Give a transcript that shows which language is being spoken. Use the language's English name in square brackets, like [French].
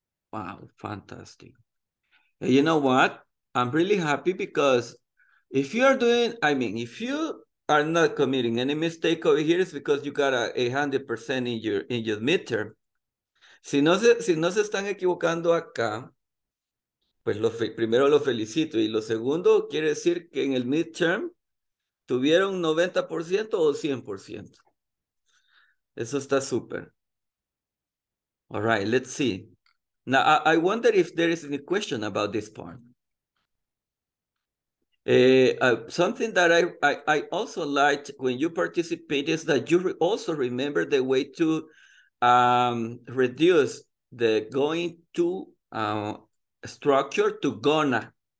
[English] Wow, fantastic. And you know what? I'm really happy because if you are doing, I mean, if you are not committing any mistake over here, it's because you got a 100% in your midterm. [Spanish] Si no se están equivocando acá, pues primero lo felicito. Y lo segundo, quiere decir que en el midterm tuvieron 90% o 100%. Eso está súper. [English] All right, let's see. Now, I wonder if there is any question about this part. Something that I also liked when you participate is that you also remember the way to reduce the going to structure to gonna.